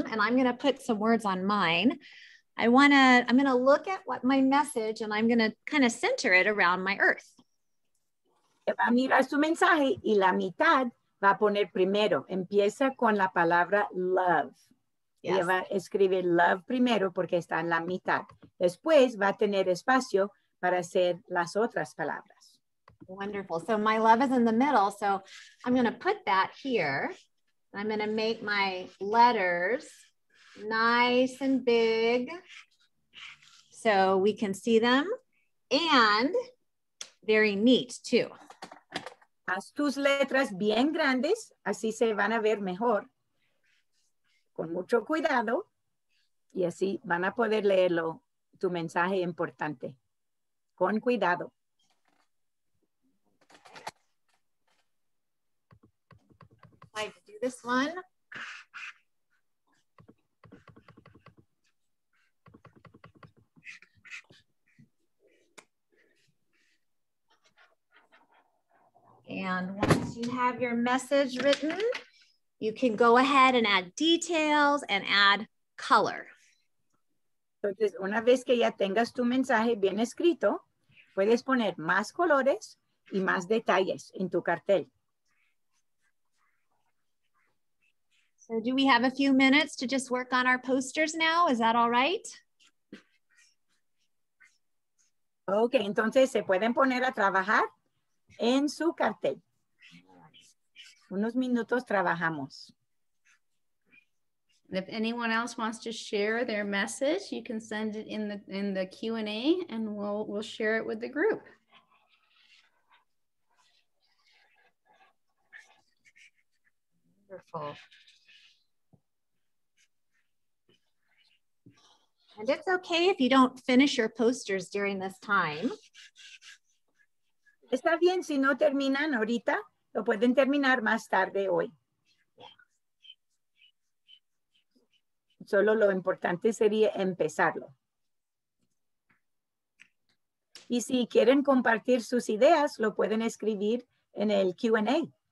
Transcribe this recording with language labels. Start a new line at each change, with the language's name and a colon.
English: And I'm gonna put some words on mine. I'm going to look at what my message, and I'm going to kind of center it around my earth.
Spanish: Va a mirar su mensaje y la mitad va a poner primero. Empieza con la palabra love.
English: Yes.
Spanish: Y va a escribir love primero porque está en la mitad. Después va a tener espacio para hacer las otras palabras.
English: Wonderful. So my love is in the middle. So I'm going to put that here. I'm going to make my letters nice and big so we can see them, and very neat too.
Spanish: Haz tus letras bien grandes, así se van a ver mejor. Con mucho cuidado, y así van a poder leerlo, tu mensaje importante. Con cuidado.
English: I do this one. And once you have your message written, you can go ahead and add details and add color.
Spanish: Entonces, una vez que ya tengas tu mensaje bien escrito, puedes poner más colores y más detalles en tu cartel.
English: So do we have a few minutes to just work on our posters now? Is that all right?
Spanish: Okay, entonces se pueden poner a trabajar en su cartel. Unos minutos trabajamos.
English: If anyone else wants to share their message, you can send it in the Q&A and we'll share it with the group. Wonderful. And it's okay if you don't finish your posters during this time.
Spanish: Está bien si no terminan ahorita, lo pueden terminar más tarde hoy. Solo lo importante sería empezarlo. Y si quieren compartir sus ideas, lo pueden escribir en el Q&A.